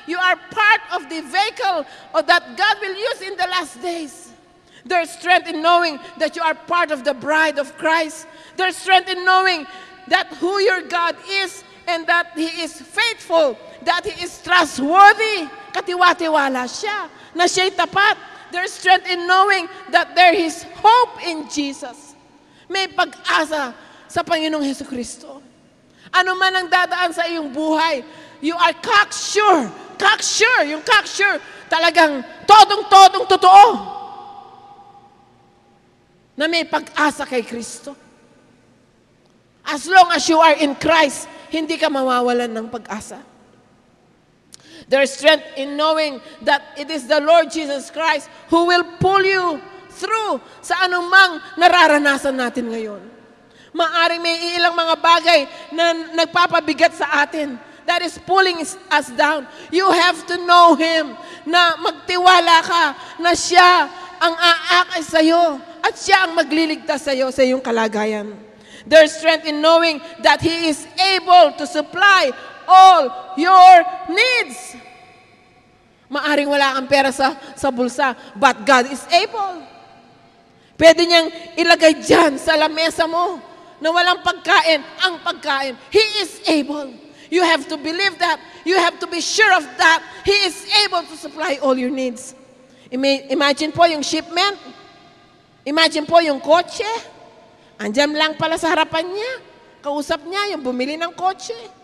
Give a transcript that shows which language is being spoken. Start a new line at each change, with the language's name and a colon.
English: You are part of the vehicle that God will use in the last days. There's strength in knowing that you are part of the bride of Christ. There's strength in knowing that who your God is and that He is faithful, that He is trustworthy.
Filipino: Katiwatiwala siya na siya'y tapat.
English: There's strength in knowing that there is hope in Jesus.
Filipino: May pag-asa sa Panginoong Hesukristo. Ano man ang dadaan sa iyong buhay,
English: you are cocksure.
Filipino: Cocksure. Yung cocksure, talagang todong-todong totoo na may pag-asa kay Kristo.
English: As long as you are in Christ,
Filipino: hindi ka mawawalan ng pag-asa.
English: There's strength in knowing that it is the Lord Jesus Christ who will pull you through
Filipino: sa anumang nararanasan natin ngayon. Maaring may ilang mga bagay na nagpapabigat sa atin
English: that is pulling us down. You have to know Him
Filipino: na magtiwala ka na Siya ang aakay sa'yo at Siya ang magliligtas sa'yo sa iyong kalagayan.
English: There's strength in knowing that He is able to supply all your needs.
Filipino: Maaring wala kang pera sa bulsa,
English: but God is able.
Filipino: Pwede niyang ilagay dyan sa lamesa mo na walang pagkain, ang pagkain.
English: He is able. You have to believe that. You have to be sure of that. He is able to supply all your needs.
Filipino: Imagine po yung shipment. Imagine po yung kotse. Andiyan lang pala sa harapan niya. Kausap niya yung bumili ng kotse.